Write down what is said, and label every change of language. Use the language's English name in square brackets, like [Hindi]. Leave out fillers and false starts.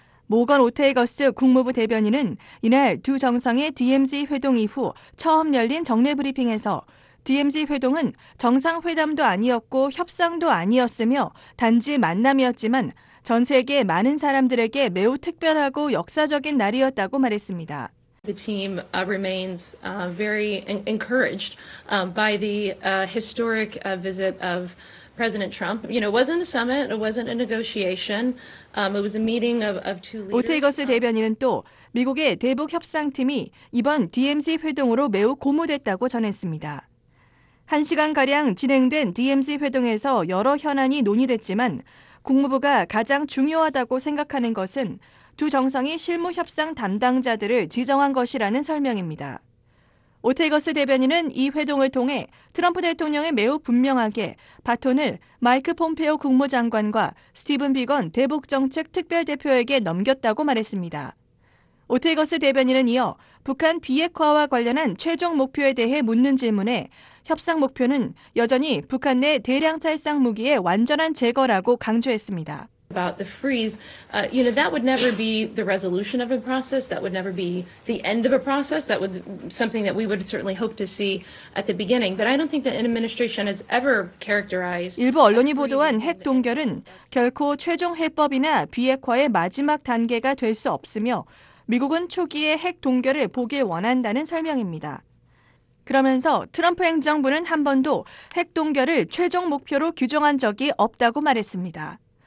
[Korean] 모건 오테이거스 국무부 대변인은 이날 두 정상의 DMZ 회동 이후 처음 열린 정례 브리핑에서 DMZ 회동은 정상회담도 아니었고 협상도 아니었으며 단지 만남이었지만 전 세계 많은 사람들에게 매우 특별하고 역사적인 날이었다고 말했습니다. [English] The team remains very encouraged by the historic visit of President Trump. You know, it wasn't a summit, it wasn't a negotiation. It was a meeting of two leaders. [Korean] 오테이거스 대변인은 또 미국의 대북 협상팀이 이번 DMZ 회동으로 매우 고무됐다고 전했습니다. 1시간가량 진행된 DMZ 회동에서 여러 현안이 논의됐지만 국무부가 가장 중요하다고 생각하는 것은 두 정상이 실무 협상 담당자들을 지정한 것이라는 설명입니다. 오테이거스 대변인은 이 회동을 통해 트럼프 대통령이 매우 분명하게 바톤을 마이크 폼페오 국무장관과 스티븐 비건 대북정책특별대표에게 넘겼다고 말했습니다. 오테이거스 대변인은 이어 북한 비핵화와 관련한 최종 목표에 대해 묻는 질문에 협상 목표는 여전히 북한 내 대량 살상 무기의 완전한 제거라고 강조했습니다. [English] About the freeze, you know, that would never be the resolution of a process. That would never be the end of a process. That would something that we would certainly hope to see at the beginning. But I don't think the administration has ever characterized. [Korean] 일부 언론이 보도한 핵 동결은 결코 최종 해법이나 비핵화의 마지막 단계가 될 수 없으며 미국은 초기에 핵 동결을 보길 원한다는 설명입니다. 그러면서 트럼프 행정부는 한 번도 핵 동결을 최종 목표로 규정한 적이 없다고 말했습니다.